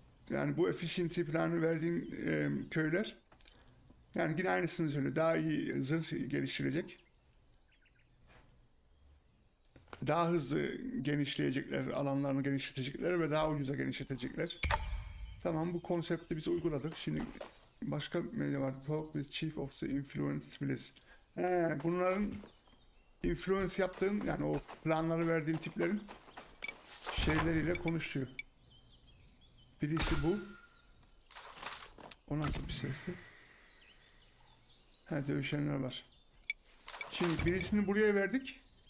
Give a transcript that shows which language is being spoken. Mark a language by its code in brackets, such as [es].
[tr] Yani bu efficiency planı verdiğin köyler, yani yine aynısını söyle, daha iyi zırh geliştirecek. Daha hızlı genişleyecekler, alanlarını genişletecekler ve daha ucuza genişletecekler. Tamam, bu konsepti biz uyguladık. Şimdi başka ne var? [en] Talk with Chief of the Influenced. [tr] Bunların influence yaptığın, yani o planları verdiğin tiplerin şeyleriyle konuşuyor. Birisi bu. O nasıl bir sesti? Ha, dövüşenler var. Şimdi birisini buraya verdik.